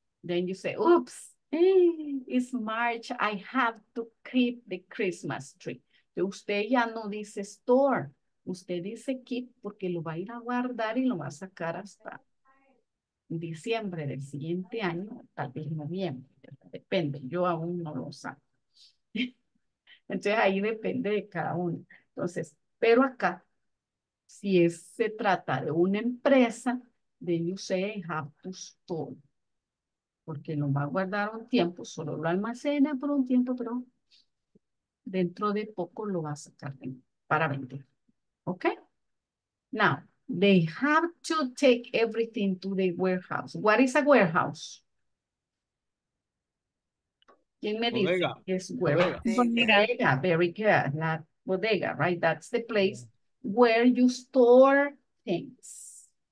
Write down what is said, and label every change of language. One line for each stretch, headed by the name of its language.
English: Then you say, oops, it's March, I have to keep the Christmas tree.
Spanish: Y usted ya no dice store, usted dice keep, porque lo va a ir a guardar y lo va a sacar hasta diciembre del siguiente año, tal vez noviembre, depende, yo aún no lo saco. Entonces ahí depende de cada uno. Entonces, pero acá, si es, se trata de una empresa,
English: then you say, have to store.
Spanish: Porque lo va a guardar un tiempo, solo lo almacena por un tiempo, pero dentro de poco lo va a sacar para vender. ¿Ok?
English: Now, they have to take everything to the warehouse. What is a warehouse?
Spanish: ¿Quién me dice? Bodega. Es warehouse. Bodega.
English: Bodega, very good.
Spanish: La bodega,
English: right? That's the place where you store things.